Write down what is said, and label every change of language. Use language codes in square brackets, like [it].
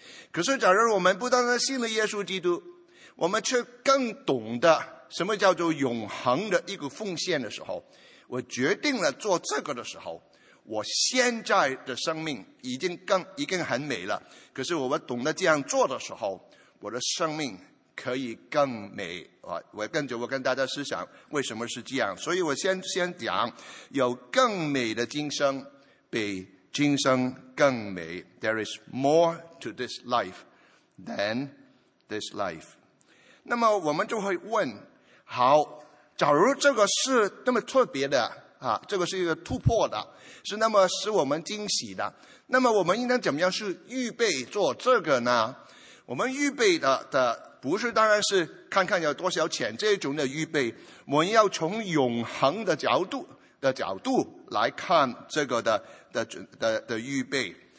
[zh] 可是假如我们不单单信了耶稣基督，我们却更懂得什么叫做永恒的一个奉献的时候，我决定了做这个的时候，我现在的生命已经很美了，可是我们懂得这样做的时候，我的生命可以更美。我跟着我跟大家思想为什么是这样，所以我先讲有更美的今生比今生更美。 [en] There is more to this life than this life. [zh] 那么我们就会问，好，假如这个是那么特别的这个是一个突破的，是那么使我们惊喜的，那么我们应该怎么样去预备做这个呢？我们预备 的不是当然是看看有多少钱这种的预备，我们要从永恒的角度来看这个的预备。